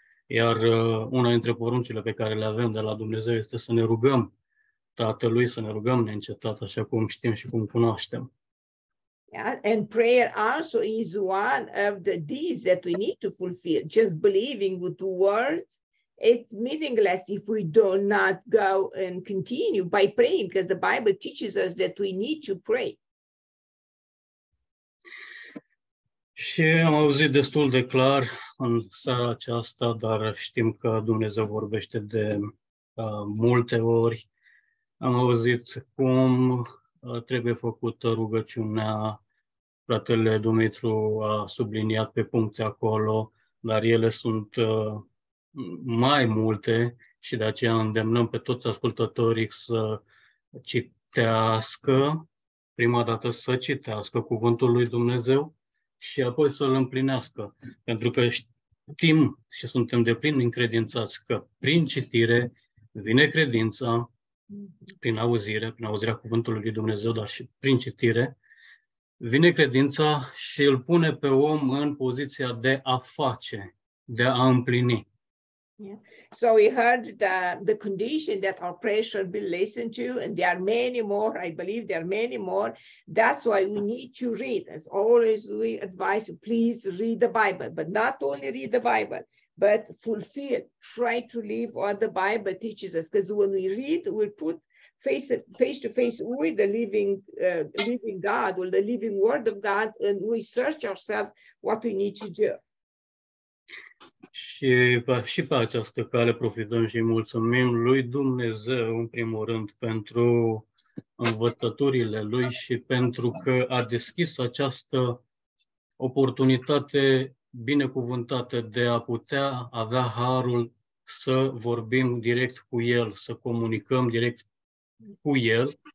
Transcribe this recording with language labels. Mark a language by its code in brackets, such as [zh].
[ro] Iar una dintre poruncile pe care le avem de la Dumnezeu este să ne rugăm Tatălui, să ne rugăm neîncetat, așa cum știm și cum cunoaștem. [en] Yeah, and prayer also is one of the deeds that we need to fulfill. Just believing with words, it's meaningless if we do not go and continue by praying, because the Bible teaches us that we need to pray. [ro] Și am auzit destul de clar în seara aceasta, dar știm că Dumnezeu vorbește de multe ori. Am auzit cum trebuie făcută rugăciunea, fratele Dumitru a subliniat pe puncte acolo, dar ele sunt mai multe și de aceea îndemnăm pe toți ascultătorii să citească, prima dată să citească Cuvântul lui Dumnezeu și apoi să-L împlinească. Pentru că știm și suntem deplin încredințați că prin citire vine credința, prin auzire, prin auzirea Cuvântului lui Dumnezeu, dar și prin citire, vine credința și îl pune pe om în poziția de a face, de a împlini. Yeah. [en] So we heard the condition that our prayer should be listened to, and there are many more. I believe there are many more. That's why we need to read. As always, we advise you, please read the Bible, but not only read the Bible, but fulfill, try to live what the Bible teaches us. Because when we read, we'll put face to face with the living God, or the living Word of God, and we search ourselves what we need to do. [ro] Și și pe această cale profităm și mulțumim lui Dumnezeu, în primul rând, pentru învățăturile Lui și pentru că a deschis această oportunitate binecuvântată de a putea avea harul să vorbim direct cu El, să comunicăm direct cu El